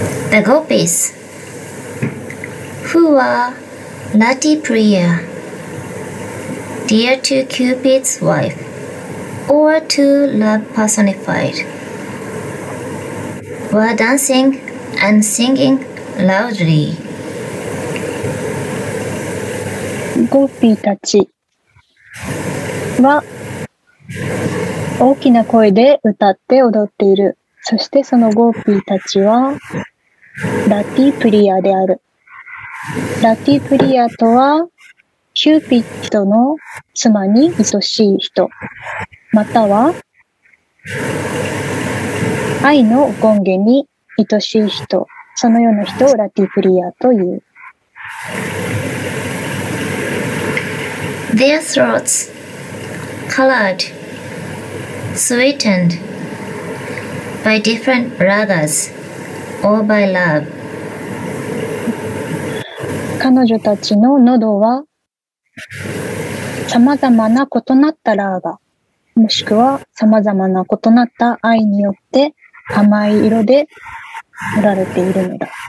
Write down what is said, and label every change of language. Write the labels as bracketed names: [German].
[English] The gopis who are Nati Priya, dear to Cupid's wife, or to love personifiedWere dancing and singing loudly. [Japanese] ゴピーたちは大きな声で歌って踊っている。そしてそのゴピーたちはラティプリアである。ラティプリアとはキューピッドの妻に愛しい人、または愛の権限に愛しい人、そのような人をラティプリアという。 [English] Their throats, colored, sweetened by different ragas or by love. [Japanese] 彼女たちの喉は、さまざまな異なったラーガ、もしくはさまざまな異なった愛によって、甘い色で塗られているのだ。